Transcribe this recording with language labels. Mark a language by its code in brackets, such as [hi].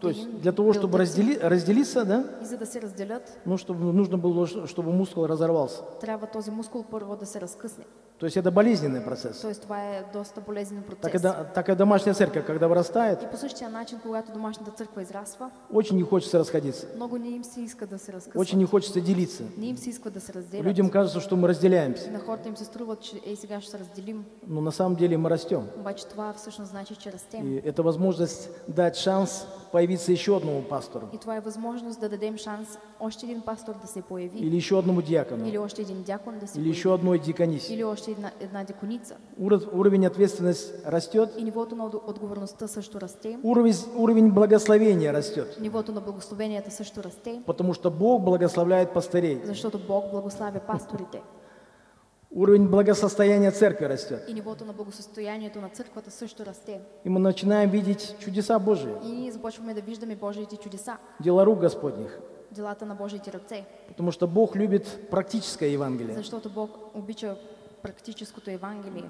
[ru] То есть для того, чтобы разделиться, да? [bg] И за да се разделят. [ru] Ну, чтобы нужно было, чтобы мускул разорвался. [bg] Трябва този мускул първо да се разкъсне. [ru] То есть это болезненный процесс. [bg] То есть това е доста болезненный процес. [ru] Так и домашняя церковь, когда вырастает. [bg] И по същия начин, когато домашната църква израства. [ru] Очень не хочется расходиться. [bg] Много не им се иска да се разкъсват. [ru] Очень не хочется делиться. [bg] Не им се иска да се разделят. [ru] Людям кажется, что мы разделяемся. [bg] На хората им се струва, че ей сега ще се разделим. [ru] Но на самом деле мы растем. [bg] Обаче това всъщност значи, че растем. [ru] И это возможность дать шанс появиться еще одному пастору. [bg] И това е възможност да дадем шанс още един пастор да се появи. [ru] Или еще одному диакону. [bg] Или още един диакон да се [ru] или еще одной диаконисе. [bg] Или още една диаконица. [ru] Уровень ответственности растет. [bg] И нивото на отговорността също расте. [ru] Уровень благословения растет. [bg] Нивото на благословението също расте. [ru] Потому что Бог благословляет пастырей. [bg] Защото Бог благославя пасторите. [ru] Уровень благосостояния церкви растет. [bg] И нивото на благосостоянието на църквата също расте. [ru] И мы начинаем видеть чудеса Божии. [bg] И започваме да виждаме Божиите чудеса. [ru] Дела рук Господних. [bg] делата на Божиите ръце. [ru] Потому что Бог любит практическое Евангелие. [bg] Защото Бог обича практическото Евангелие.